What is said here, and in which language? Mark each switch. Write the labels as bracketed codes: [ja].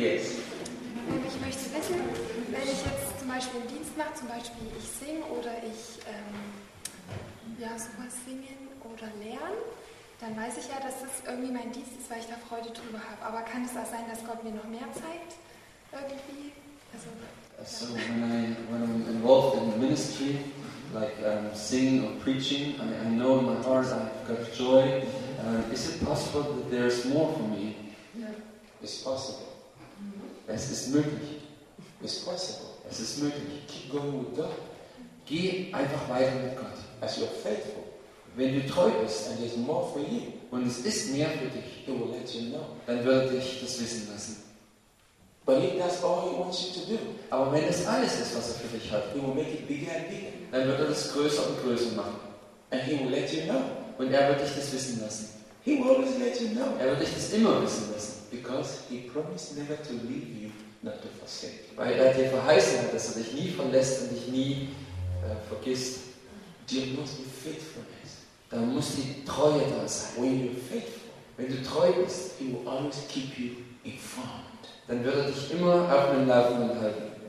[de] Yes. Ich möchte wissen, wenn ich jetzt zum Beispiel einen Dienst mache, zum Beispiel ich singe oder ich sowas singen oder lernen, dann weiß ich ja, dass das irgendwie mein Dienst ist, weil ich da Freude drüber habe. Aber kann es auch sein, dass Gott mir noch mehr zeigt? Irgendwie? Also, [en] so when I'm involved in the ministry, like singing or preaching, I know in my heart I've got joy. Is it possible that there's more for me? Yeah. It's possible. [de] Mm-hmm. Es ist möglich. [en] It's possible. [de] Es ist möglich. [en] Keep going with God. [de] Geh einfach weiter mit Gott. [en] As you're faithful. [de] Wenn du treu bist, [en] and there's more for you. [de] Und es ist mehr für dich. [en] He will let you know. [de] Dann wird dich das wissen lassen. [en] But if that's all he wants you to do, [de] aber wenn das alles ist, was er für dich hat, [en] he will make it bigger and bigger. [de] Dann wird er das größer und größer machen. [en] And he will let you know. [de] Und er wird dich das wissen lassen. [en] He will always let you know. [de] Er wird dich das immer wissen lassen. [en] Because he promised never to leave you, not to forsake. [de] Weil er dir verheißen hat, dass er dich nie verlässt und dich nie vergisst. Du musst die Faithfulness. Da muss die Treue da sein. [en] When you're faithful, [de] wenn du treu bist, [en] he will always keep you informed. [de] Dann wird er dich immer auf dem Laufenden halten.